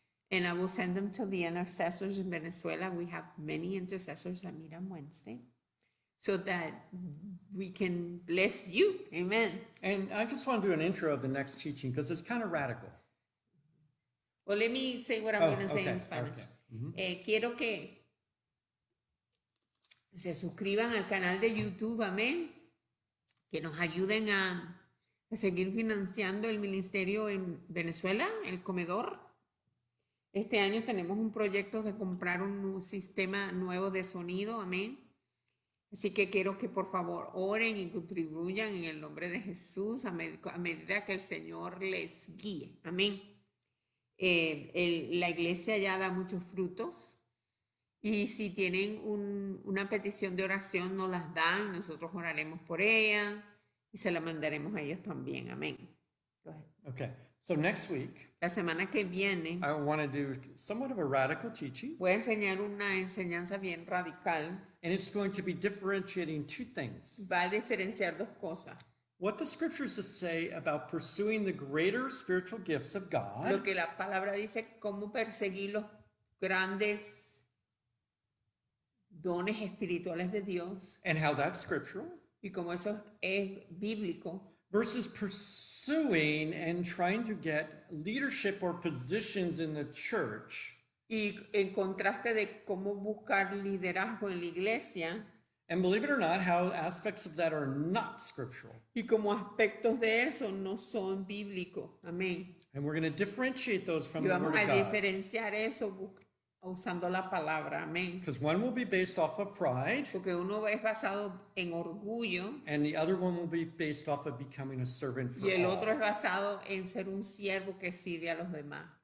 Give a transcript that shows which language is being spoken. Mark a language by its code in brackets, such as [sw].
[en] And I will send them to the intercessors in Venezuela. We have many intercessors that meet on Wednesday. So that we can bless you. Amen. And I just want to do an intro of the next teaching because it's kind of radical. Well, let me say what I'm going to say in Spanish. Okay. Mm-hmm. [es] Quiero que se suscriban al canal de YouTube. Amén. Que nos ayuden a seguir financiando el ministerio en Venezuela, el comedor. Este año tenemos un proyecto de comprar un sistema nuevo de sonido. Amén. Así que quiero que por favor oren y contribuyan en el nombre de Jesús a medida que el Señor les guíe. Amén. La iglesia ya da muchos frutos. Y si tienen una petición de oración, nos las dan. Nosotros oraremos por ella y se la mandaremos a ellos también. Amén. [en] Go ahead. Okay. So next week, [es] la semana que viene, [en] I want to do somewhat of a radical teaching. [es] Voy a enseñar una enseñanza bien radical. [en] And it's going to be differentiating two things. [es] Va a diferenciar dos cosas. [en] What the scriptures say about pursuing the greater spiritual gifts of God. [es] Lo que la palabra dice, cómo perseguir los grandes dones espirituales de Dios. [en] And how that's scriptural. [es] Y cómo eso es bíblico. [en] Versus pursuing and trying to get leadership or positions in the church. [es] Y en contraste de cómo buscar liderazgo en la iglesia. [en] And believe it or not, how aspects of that are not scriptural. [es] Y cómo aspectos de eso no son bíblicos. Amén. [en] And we're going to differentiate those from [es] y [en] the Word of God. [es] Vamos a diferenciar eso usando la palabra. Amén. [en] Because one will be based off of pride. [es] Porque uno es basado en orgullo. [en] And the other one will be based off of becoming a servant for all. [es] Y el [en] all. [es] Otro es basado en ser un siervo que sirve a los demás.